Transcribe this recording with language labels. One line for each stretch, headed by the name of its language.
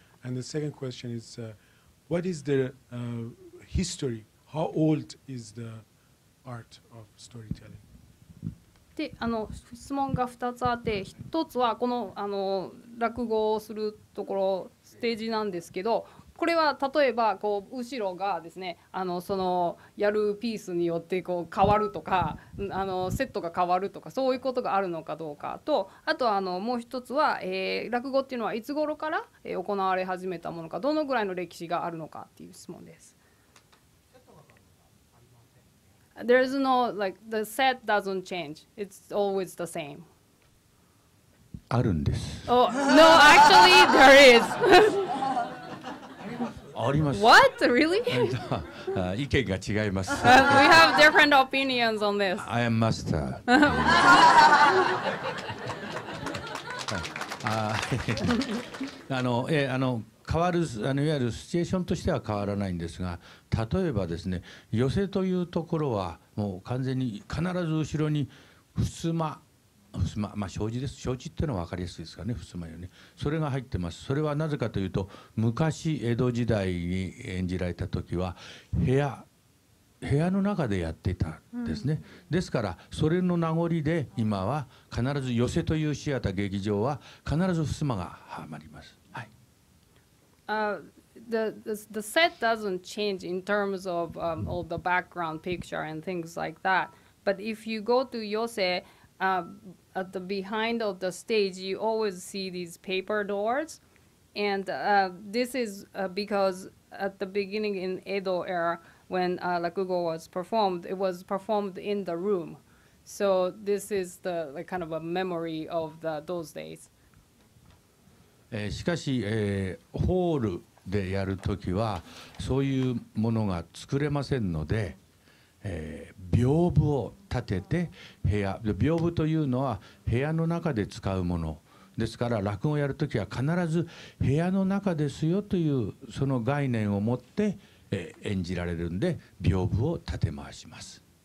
English: And the second question is, what is the history? How old is the art of storytelling?
Japanese: で、質問が2つあって、1つはこの、落語をするところ、ステージなんですけど、これは例えばこう後ろがですね、そのやるピースによってこう変わるとか、セットが変わるとか、そういうことがあるのかどうかと、あともう一つは、落語っていうのはいつ頃から行われ始めたものか、どのぐらいの歴史があるのかっていう質問です。
English: There is no like the set doesn't change. It's always the same.
Japanese: あるんです。
English: Oh, no, actually there is.
Japanese: あります。
English: What? Really?
Japanese: 意見が違います。
English: We have different opinions on this. I am master.
Japanese: 変わる、いわゆるシチュエーションとしては変わらないんですが、例えばですね、寄席というところはもう完全に必ず後ろに襖、襖、まあ障子です。障子っていうのは分かりやすいですかね、襖よね。それが入ってます。それはなぜかというと、昔江戸時代に演じられた時は部屋の中でやっていたんですね、うん、ですからそれの名残で今は必ず寄席というシアター劇場は必ず襖がはまります、はい、
English: the set doesn't change in terms of、all the background picture and things like that. But if you go to yose、at the behind of the stage, you always see these paper doors. And、this is、because at the beginning in Edo era, when、Rakugo was performed, it was performed in the room. So this is the kind of a memory of the, those days.、
Japanese: しかし、ホールでやるときはそういうものが作れませんので、屏風を立てて部屋で、屏風というのは部屋の中で使うものですから、落語をやるときは必ず部屋の中ですよというその概念を持って、演じられるんで、屏風を立て回します。